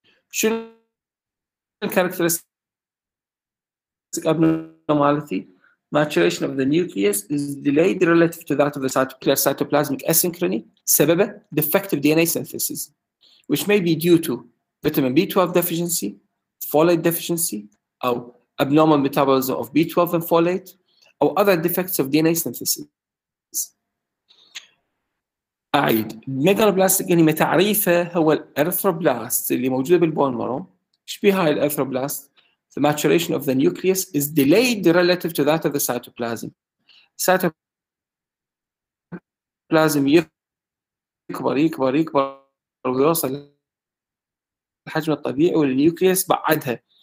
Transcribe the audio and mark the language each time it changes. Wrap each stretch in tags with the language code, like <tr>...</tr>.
<ar>شنو الكاركترستيك ابنورماليتي؟</ar> <en>maturation of the nucleus is delayed relative to that of the cytoplasmic asynchrony,</en> <ar>سببه</ar> <en>Defective D N A synthesis which may be due to vitamin B 12 deficiency, folate deficiency, او abnormal metabolism of B12 and folate, or other defects of DNA synthesis.</en> <ar>أعيد. Megaloblastic anemia تعريفه هو الأرثروبلاست اللي موجودة بالبون مارو. شبيه هاي الأرثروبلاست.</ar> <en>The maturation of the nucleus is delayed relative to that of the cytoplasm.</en> <ar>Cytoplasm يكبر يكبر يكبر ويوصل الحجم الطبيعي والنيوكليوس بعدها.</ar>